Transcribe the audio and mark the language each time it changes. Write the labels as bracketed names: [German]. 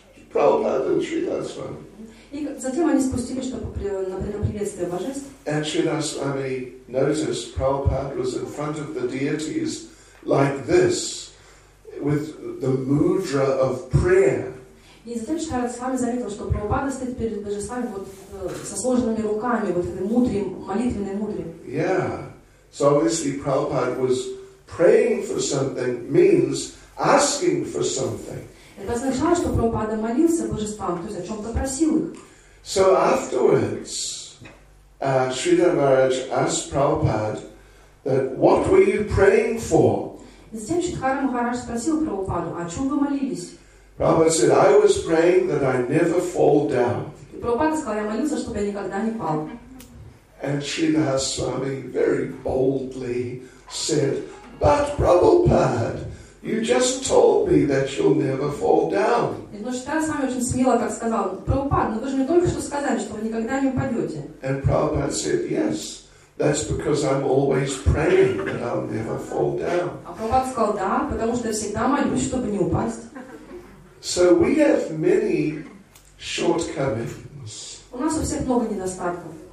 [English] Prabhupada and Sridhar Swami. And Sridhar Swami noticed Prabhupada was in front of the deities like this, with the mudra of prayer. [Russian] И затем Шрила Свами заметил, что Прабхупада стоит перед божествами вот со сложенными руками, вот этой мудрой, молитвенной мудрой. [English] Yeah. So obviously Prabhupada was praying for something means asking for something. [Russian] Это означало, что Прабхупада молился божествам, то есть о чем-то просил их. [English] So afterwards, Шрила Махарадж asked Prabhupada that what were you praying for? [Russian] Затем Шридхара Махарадж спросил Прабхупаду, о чем вы молились? [English] Prabhupada said, I was praying that I never fall down. [Russian] Prabhupada сказал, я молился, чтобы я никогда не пал. [English] And Srinivas Swami very boldly said, but Prabhupada, you just told me that you'll never fall down. And Prabhupada said, yes, that's because I'm always praying that I'll never fall down. So we have many shortcomings. [Russian] У нас у всех много недостатков.